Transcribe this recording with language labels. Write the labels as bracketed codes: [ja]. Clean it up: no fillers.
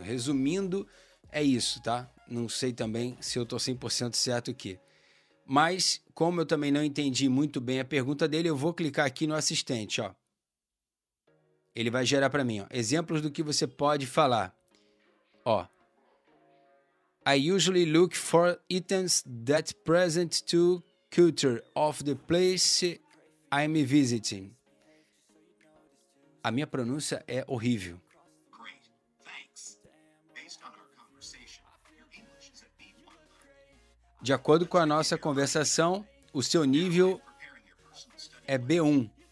[pt] Resumindo, é isso, tá? Não sei também se eu tô 100% certo aqui. Mas, como eu também não entendi muito bem a pergunta dele, eu vou clicar aqui no assistente, ó. Ele vai gerar para mim, ó. Exemplos do que você pode falar. Ó. [en] I usually look for items that present to culture of the place I'm visiting. [pt] A minha pronúncia é horrível. [en] Great, thanks. Based on our conversation, your English is at B1. [pt] De acordo com a nossa conversação, o seu nível é B1.